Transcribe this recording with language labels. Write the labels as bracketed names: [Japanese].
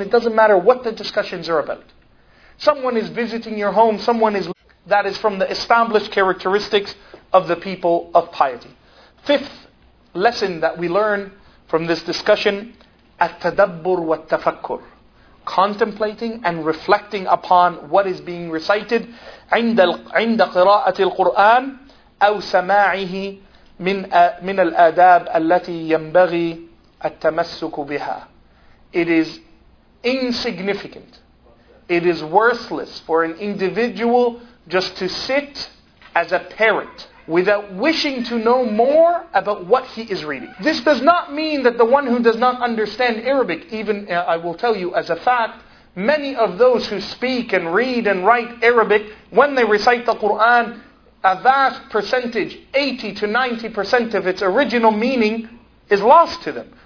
[English] It doesn't matter what the discussions are about. Someone is visiting your home, someone is... That is from the established characteristics of the people of piety. Fifth lesson that we learn from this discussion, [Arabic] التدبر والتفكر. [English] Contemplating and reflecting upon what is being recited [Arabic] عند قراءة القرآن أو سماعه من الآداب التي ينبغي التمسك بها. [English] It is insignificant. It is worthless for an individual just to sit as a parrot without wishing to know more about what he is reading. This does not mean that the one who does not understand Arabic, even I will tell you as a fact, many of those who speak and read and write Arabic, when they recite the Qur'an, a vast percentage, 80 to 90% of its original meaning is lost to them.